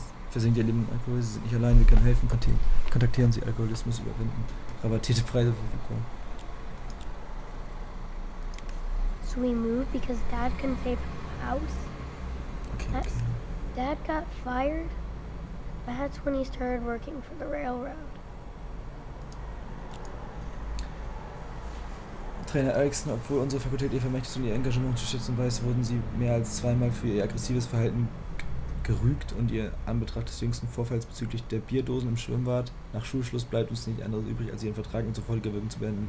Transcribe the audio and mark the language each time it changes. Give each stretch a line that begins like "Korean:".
German: Versinkt ihr Leben in Alkohol, sie sind nicht allein, wir können helfen, kontaktieren sie Alkoholismus überwinden. Rabattierte Preise für Vukon.
English: So we moved because Dad couldn't pay for the house. Okay. Dad got fired. That's when he started working for the railroad.
German: Trainer Erickson, obwohl unsere Fakultät ihr Vermächtnis und ihr Engagement zu schätzen weiß, wurden sie mehr als zweimal für ihr aggressives Verhalten gerügt und ihr Anbetracht des jüngsten Vorfalls bezüglich der Bierdosen im Schwimmbad. Nach Schulschluss bleibt uns nichts anderes übrig, als ihren Vertrag in sofortiger Wirkung zu beenden.